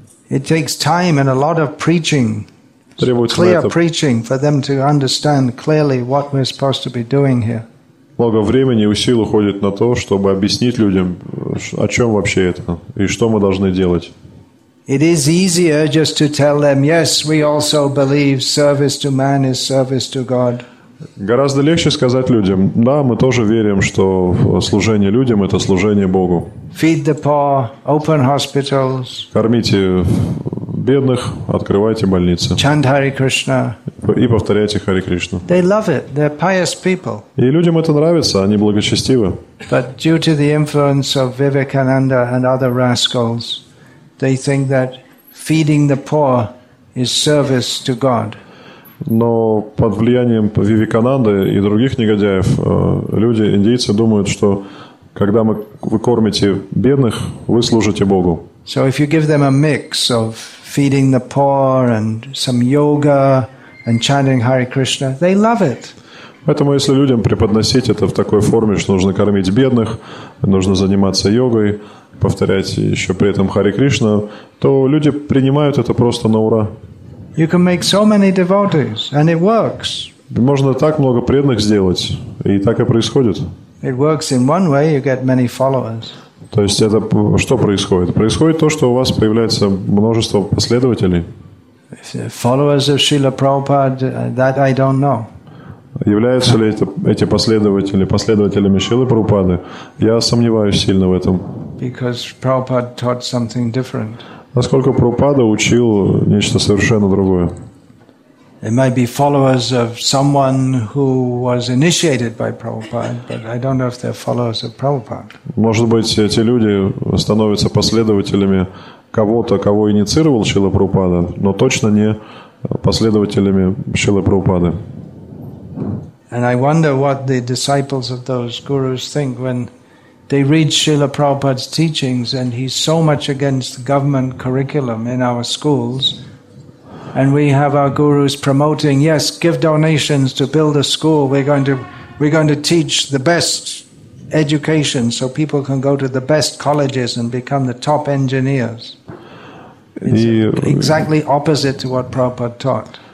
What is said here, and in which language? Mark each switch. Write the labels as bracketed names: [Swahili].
[English] It takes time and a lot of preaching, clear preaching, for them to understand clearly what we're supposed to be doing here. [Russian] Много времени и усилий уходит на то, чтобы объяснить людям, о чем вообще это и что мы должны делать. [English] It is easier just to tell them, yes, we also believe service to man is service to God. [Russian] Гораздо легче сказать людям, да, мы тоже верим, что служение людям – это служение Богу. [English] Feed the poor, open hospitals. [Russian] Кормите бедных, открывайте больницы. [English] Chant Hare Krishna. [Russian] И повторяйте Харе Кришну. [English] They love it. They're pious people. [Russian] И людям это нравится, они благочестивы. [English] But due to the influence of Vivekananda and other rascals, they think that feeding the poor is service to God. [Russian] Но под влиянием Вивекананды и других негодяев люди, индийцы, думают, что когда вы кормите бедных, вы служите Богу. [English] So if you give them a mix of feeding the poor and some yoga and chanting Hare Krishna, they love it. [Russian] Поэтому если людям преподносить это в такой форме, что нужно кормить бедных, нужно заниматься йогой, повторять еще при этом Харе Кришна, то люди принимают это просто на ура. [English] You can make so many devotees, and it works. [Russian] Можно так много преданных сделать, и так и происходит. [English] It works in one way, you get many followers. [Russian] То есть это что происходит? Происходит то, что у вас появляется множество последователей. [English] Followers of Srila Prabhupada, that I don't know. [Russian] Являются ли эти последователи последователями Шрилы Прабхупады? Я сомневаюсь сильно в этом. [English] Because Prabhupada taught something different. [Russian] Насколько Прабхупада учил нечто совершенно другое. [English] It might be followers of someone who was initiated by Prabhupada, but I don't know if they're followers of Prabhupada. [Russian] Может быть, эти люди становятся последователями кого-то, кого инициировал Шрила Прабхупада, но точно не последователями Шрилы Прабхупады. [English] And I wonder what the disciples of those gurus think when they read Srila Prabhupada's teachings and he's so much against the government curriculum in our schools and we have our gurus promoting, yes, give donations to build a school, we're going to teach the best education so people can go to the best colleges and become the top engineers. It's exactly opposite to what Prabhupada taught.